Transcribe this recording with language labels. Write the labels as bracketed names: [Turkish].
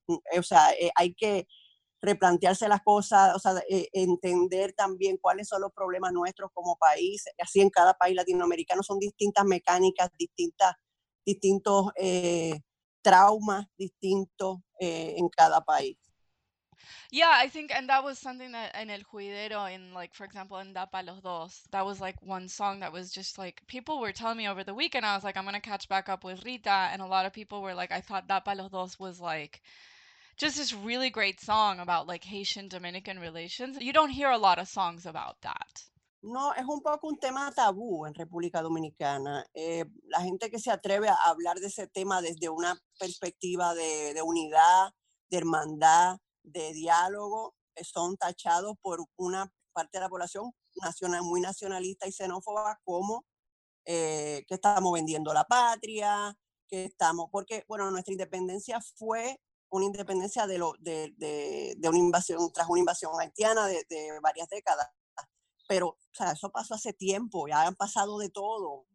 [Spanish] O sea, hay que replantearse las cosas, o sea, entender también cuáles son los problemas nuestros como país. Así en cada país latinoamericano son distintas mecánicas, distintos traumas distintos en cada país. [English] Yeah, I think, and that was something that in El Juidero, in like, for example, in Da Pa Los Dos, that was like one song that was just like, people were telling me over the weekend, I was like, I'm going to catch back up with Rita. And a lot of people were like, I thought Da Pa Los Dos was like, just this really great song about like Haitian-Dominican relations. You don't hear a lot of songs about that. [Spanish] No, es un poco un tema tabú en República Dominicana. La gente que se atreve a hablar de ese tema desde una perspectiva de unidad, de hermandad, de diálogo, son tachados por una parte de la población nacional, muy nacionalista y xenófoba, como que estamos vendiendo la patria, que estamos, porque bueno, nuestra independencia fue una independencia de una invasión, tras una invasión haitiana de varias décadas, pero o sea, eso pasó hace tiempo, ya han pasado de todo.